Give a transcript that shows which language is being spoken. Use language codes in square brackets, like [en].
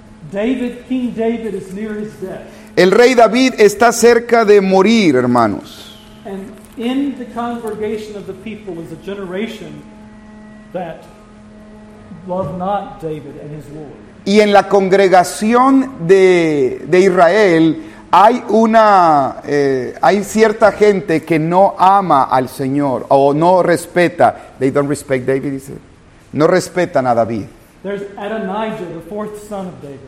[en] David, King David is near his death. [es] El rey David está cerca de morir, hermanos. [en] And in the congregation of the people is a generation that love not David and his Lord. [es] Y en la congregación de Israel hay una hay cierta gente que no ama al Señor o no respeta. [en] They don't respect David, dice. [es] No respetan a David. [en] There's Adonijah, the fourth son of David.